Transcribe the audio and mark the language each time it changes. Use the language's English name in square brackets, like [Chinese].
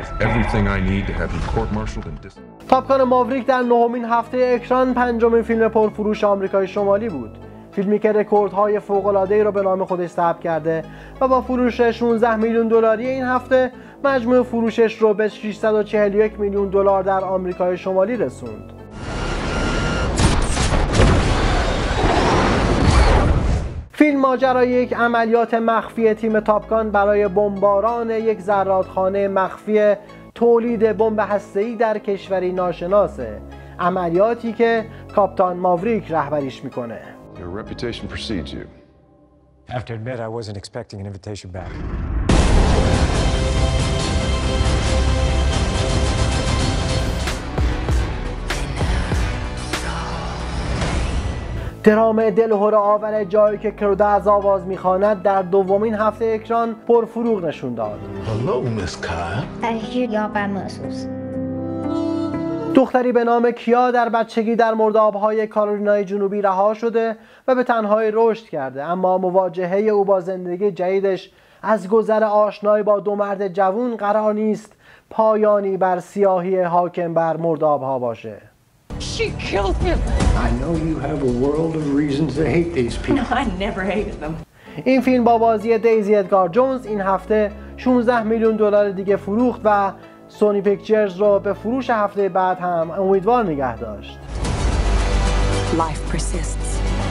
[English] Everything I need to have him court-martialed and disciplined. [Persian] Top Gun Maverick در 9 هفته اکران 5 فیلم پرفروش آمریکای شمالی بود. فیلمی که رکوردهای فوق‌العاده‌ای را به نام خودش ثبت کرده و با فروش 16 میلیون دلاری این هفته مجموع فروشش را به 641 میلیون دلار در آمریکای شمالی رسوند. Oh. فیلم ماجرای یک عملیات مخفی تیم تاپگان برای بمباران یک زرادخانه مخفی تولید بمب هسته‌ای در کشوری ناشناسه، عملیاتی که کاپتان ماوریک رهبریش میکنه. [English] Your reputation precedes you. Have to admit I wasn't expecting an invitation back. [Persian] درام دلهره آور جایی که کرودز آواز میخواند در دومین هفته اکران پرفروغ نشون داد. دختری به نام کیا در بچگی در مردابهای کارولینای جنوبی رها شده و به تنهایی رشد کرده، اما مواجهه او با زندگی جدیدش از گذر آشنایی با دو مرد جوان قرار نیست پایانی بر سیاهی حاکم بر مردابها باشه. [English] She killed him. I know you have a world of reasons to hate these people. No, I never hated them. [Persian] این فیلم با بازی دیزی ادگار جونز این هفته 16 میلیون دلار دیگه فروخت و سونی پیکچرز رو به فروش هفته بعد هم امیدوار نگه داشت. [English] Life persists.